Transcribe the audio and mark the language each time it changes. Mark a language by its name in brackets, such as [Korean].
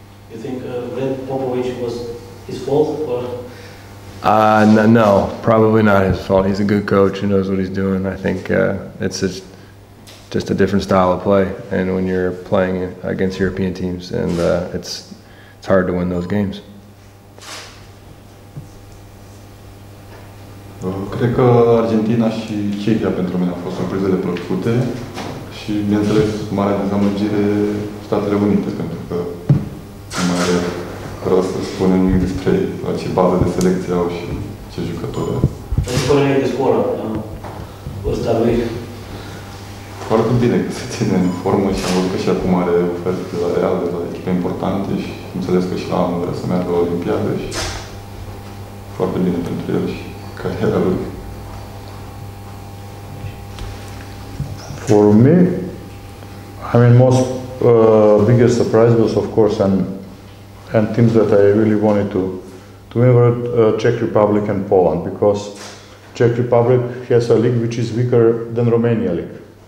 [English] You think Vlad Popovic was his fault, or? No, probably not his fault. He's a good coach, he knows what he's doing. I think it's just just a different style of play, and when you're playing against European teams, and it's hard to win those games. [Romanian] Cred că Argentina și Cehia pentru mine au fost surprizele plăcute și, bineînțeles, mare dezamăgire Statele Unite, pentru că nu mai are rost să spunem nimic despre ce bază de selecție au și ce jucători au. Spune-mi de scoră, ăsta lui. Foarte bine că se ține în formă și am văzut că și acum are oferte de la Real, de la echipe importante și înțeles că și la anul vrea să meargă la Olimpiadă și foarte bine pentru el și cariera lui. [English] For me, I mean, most biggest surprise was, of course, and teams that I really wanted to win were Czech Republic and Poland, because Czech Republic has a league which is weaker than Romania league.